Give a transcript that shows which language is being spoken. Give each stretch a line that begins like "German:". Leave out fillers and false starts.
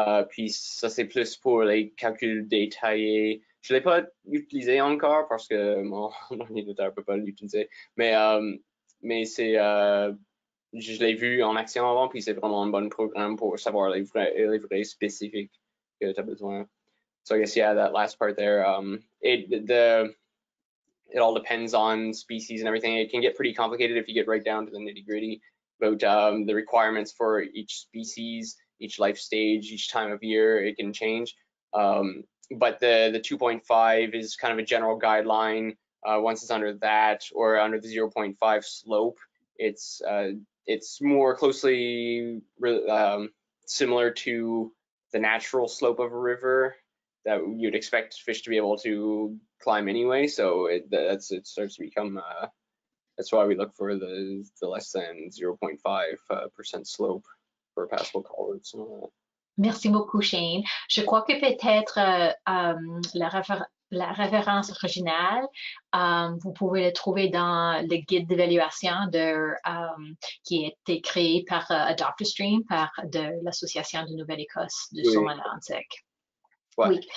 French: Puis ça, c'est plus pour les calculs détaillés. Je ne l'ai pas utilisé encore, parce que mon ordinateur ne peut pas l'utiliser. Mais c'est, je l'ai vu en action avant, puis c'est vraiment un bon programme pour savoir les vrais spécifiques que tu as besoin.
English: So I guess, yeah, that last part there, it all depends on species and everything. It can get pretty complicated if you get right down to the nitty gritty about the requirements for each species, each life stage, each time of year, it can change. But the 2.5 is kind of a general guideline. Once it's under that or under the 0.5 slope, it's more closely similar to the natural slope of a river that you'd expect fish to be able to climb anyway. So it starts to become, that's why we look for the less than 0.5% slope for passable collards and all that.
French: Merci beaucoup, Shane. Je crois que peut-être la référence originale, vous pouvez le trouver dans le guide d'évaluation qui a été créé par Dr. Stream, de l'Association de Nouvelle-Écosse du Saumon-Atlantique. Oui.